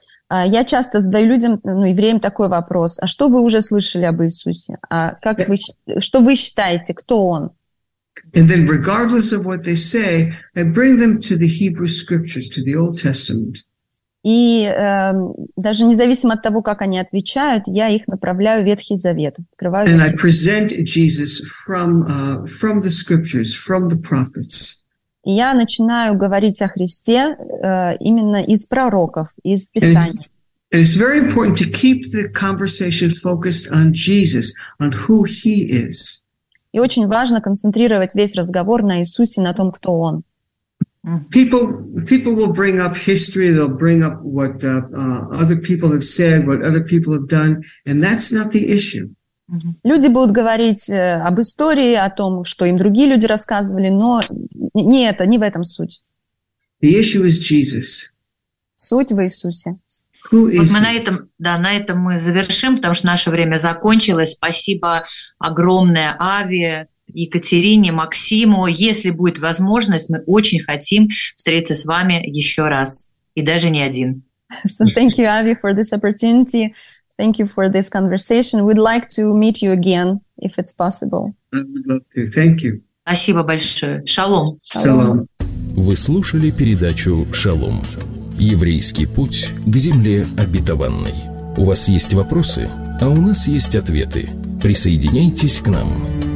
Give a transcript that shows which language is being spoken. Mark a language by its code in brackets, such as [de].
[ru] Я часто задаю людям, ну, евреям такой вопрос. А что вы уже слышали об Иисусе? А как вы, что вы считаете, кто он? [en] And then regardless of what they say, I bring them to the Hebrew scriptures, to the Old Testament. [ru] И даже независимо от того, как они отвечают, я их направляю в Ветхий Завет. Открываю. [en] And I present Jesus from the scriptures, from the prophets. [ru] И я начинаю говорить о Христе именно из пророков, из Писания. [en] It's very important to keep the conversation focused on Jesus, on who he is. [ru] И очень важно концентрировать весь разговор на Иисусе, на том, кто он. [en] People will bring up history, they'll bring up what other people have said, what other people have done, and that's not the issue. [ru] Люди будут говорить об истории, о том, что им другие люди рассказывали, но не это, не в этом суть. [en] The issue is Jesus. [ru] Суть в Иисусе. [en] Who is [ru] вот мы на этом, да, на этом мы завершим, потому что наше время закончилось. Спасибо огромное Ави, Екатерине, Максиму. Если будет возможность, мы очень хотим встретиться с вами еще раз. И даже не один. [en] So thank you, Avi, for this opportunity. Thank you for this conversation. We'd like to meet you again, if it's possible. I would love to. Thank you. [ru] Спасибо большое. Шалом. Шалом. Вы слушали передачу «Шалом. Еврейский путь к земле обетованной». У вас есть вопросы, а у нас есть ответы. Присоединяйтесь к нам.